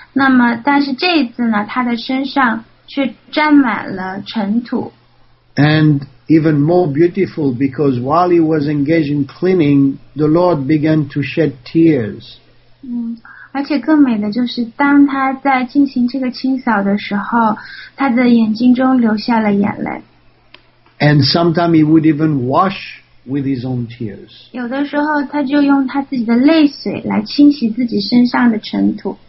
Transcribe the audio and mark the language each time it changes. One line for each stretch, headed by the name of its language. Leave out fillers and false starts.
Chinese: 那么但是这一次呢他的身上却沾满了尘土。
English: And even more beautiful because while he was engaged in cleaning, the Lord began to shed tears.
Chinese: 而且更美的就是当他在进行这个清扫的时候他的眼睛中流下了眼泪
English: And sometimes he would even wash with his own tears
Chinese: 有的时候他就用他自己的泪水来清洗自己身上的尘土